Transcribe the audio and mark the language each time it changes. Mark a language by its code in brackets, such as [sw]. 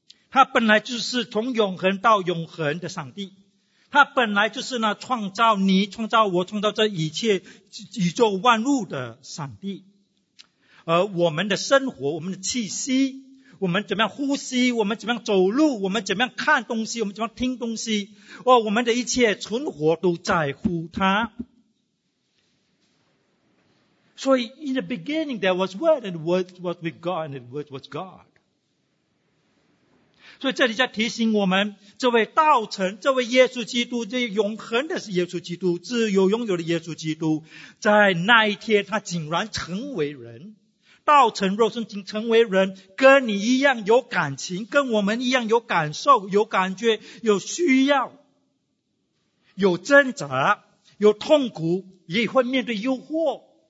[zh] 他本来就是从永恒到永恒的上帝，他本来就是那创造你、创造我、创造这一切宇宙万物的上帝。而我们的生活、我们的气息、我们怎么样呼吸、我们怎么样走路、我们怎么样看东西、我们怎么样听东西，我们的一切存活都在乎他。所以 [en] in the beginning there was word and word was with God and word was God。 [zh] 所以这里在提醒我们，这位道成，这位耶稣基督，这永恒的是耶稣基督，自由拥有的耶稣基督，在那一天他竟然成为人，道成肉身竟成为人，跟你一样有感情，跟我们一样有感受、有感觉、有需要、有挣扎、有痛苦，也会面对诱惑。